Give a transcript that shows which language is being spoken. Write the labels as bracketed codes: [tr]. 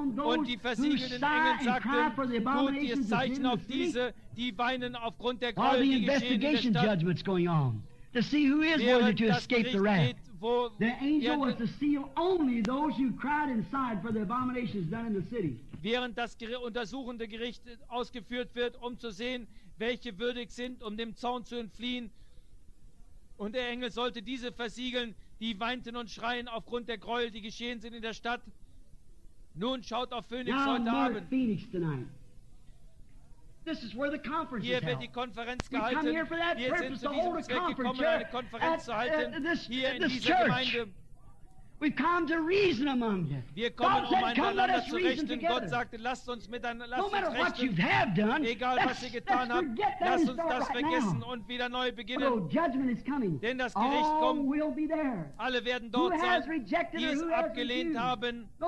[de] Und die versiegelten Engel sagten, tut ihr Zeichen auf diese, die weinen aufgrund der Gräuel, die geschehen. [en] Investigation judgments going on to see who is worthy to escape the wrath. The angel was to seal only those who cried inside for the abominations done in the city. [de] Während das untersuchende Gericht ausgeführt wird, um zu sehen, welche würdig sind, um dem Zorn zu entfliehen, und der Engel sollte diese versiegeln, die weinten und schreien aufgrund der Gräuel, die geschehen sind in der Stadt. Nun schaut auf Phoenix heute Abend. [en] Phoenix tonight. This is where the conference [de] hier [en] is [de] wird die Konferenz gehalten. Wir sind zu diesem Zweck gekommen, eine Konferenz zu halten, hier in dieser [en] church. [de] Gemeinde. [en] We've come to reason among you. [de] Wir kommen, um einander zu rechnen. Gott sagte, lasst uns miteinander, lasst uns rechnen. Egal, was ihr getan habt, lasst uns das vergessen und wieder neu beginnen. Denn das Gericht kommt. Alle werden dort sein, die es abgelehnt haben.